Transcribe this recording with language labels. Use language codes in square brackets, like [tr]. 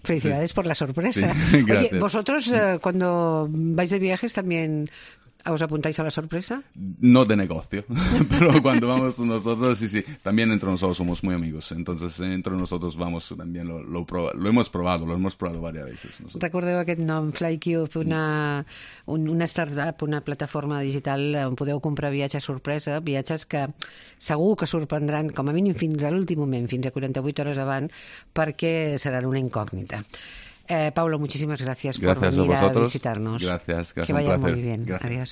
[es] Felicidades por la sorpresa. Sí, gracias. Oye, ¿vosotros cuando vais de viajes también os apuntáis a la sorpresa? No de negocio, pero cuando vamos nosotros, sí, también entre nosotros somos muy amigos. Entonces, entre nosotros vamos también, lo hemos probado varias veces. Nosotros. Recuerdo que en FlyCube, una startup, una plataforma digital, [ca] on podeu comprar viatges sorpresa, viatges que segur que sorprendran, com a mínim fins a l'últim moment, fins a 48 hores abans, perquè seran una incògnita. [es] Pablo, muchísimas gracias por venir a visitarnos. Gracias, que vaya muy bien. Gracias. Adiós.